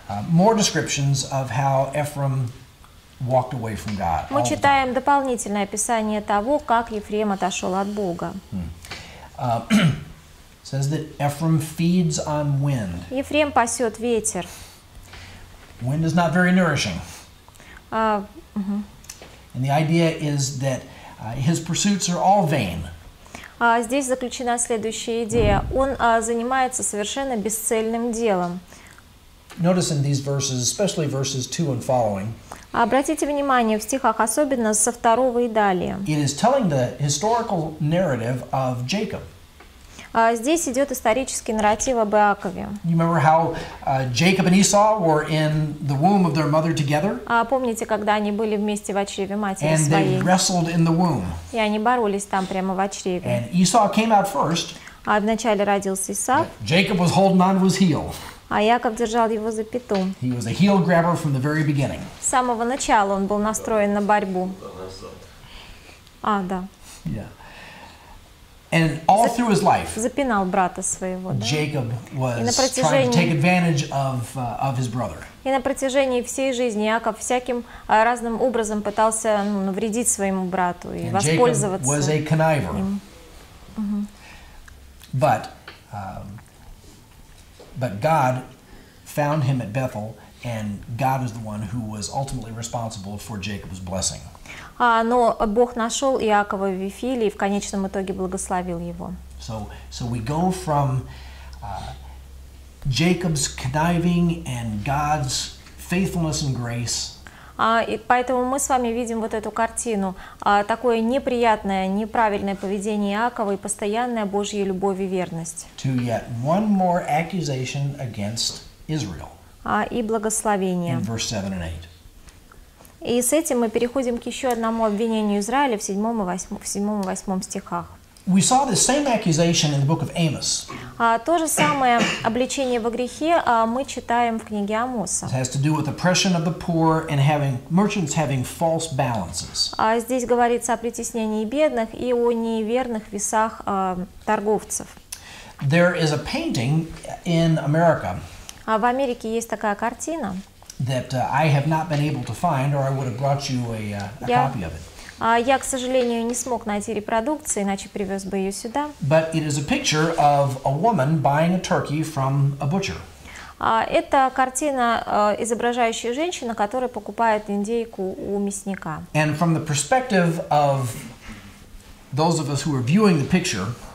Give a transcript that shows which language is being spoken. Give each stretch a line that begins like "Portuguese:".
English: more descriptions of how Ephraim walked away from God.
Russian: Мы читаем дополнительное описание того, как Ефрем отошел от Бога.
English: Says that Ephraim feeds on wind.
Russian: Ефрем пасет ветер.
English: Wind is not very nourishing. And the idea is that his pursuits are all vain.
Russian: Здесь заключена следующая идея. Он занимается совершенно бесцельным делом.
English: Notice in these verses, especially verses 2 and following.
Russian: Обратите внимание в стихах, особенно со второго и далее.
English: It is telling the historical narrative of Jacob.
Russian: Здесь идет исторический нарратив об Иакове.
English: You remember how Jacob and Esau were in the womb of their mother together?
Russian: Помните, когда они были вместе в чреве матери
English: and
Russian: своей?
English: And they wrestled in the womb.
Russian: И они боролись там прямо в чреве.
English: And Esau came out first.
Russian: Вначале родился Исав.
English: Jacob was holding on to his heel.
Russian: А Яков держал его за пяту.
English: He was a heel grabber from the very beginning.
Russian: С самого начала он был настроен на борьбу. Да.
English: Yeah. And all through his life,
Russian: запинал брата своего, да?
English: Jacob was trying to take advantage of his brother.
Russian: И на протяжении всей жизни Яков всяким разным образом пытался навредить своему брату и воспользоваться.
English: Was a conniver. But God found him at Bethel, and God is the one who was ultimately responsible for Jacob's blessing.
Russian: Но Бог нашел Иакова в Вифиле и в конечном итоге благословил его.
English: So we go from Jacob's conniving and God's faithfulness and grace.
Russian: И поэтому мы с вами видим вот эту картину, такое неприятное, неправильное поведение Иакова и постоянная Божья любовь и верность.
English: To yet one more accusation against Israel.
Russian: И благословение.
English: In verse 7 and 8.
Russian: И с этим мы переходим к еще одному обвинению Израиля в 7 и 8 стихах.
English: We saw the same accusation in the book of Amos.
Russian: То же самое обличение во грехе мы читаем в книге Амоса.
English: It has to do with oppression of the poor and having merchants having false balances.
Russian: Здесь говорится о притеснении бедных и о неверных весах торговцев.
English: There is a painting in America.
Russian: В Америке есть такая картина.
English: That I have not been able to find, or I would have brought you a copy of it.
Russian: Я, к сожалению, не смог найти репродукцию, иначе привез бы ее сюда.
English: But it is a picture of a woman buying a turkey from a butcher.
Russian: Это картина, изображающая женщину, которая покупает индейку у мясника.
English: And from the perspective of those of us who are viewing the picture,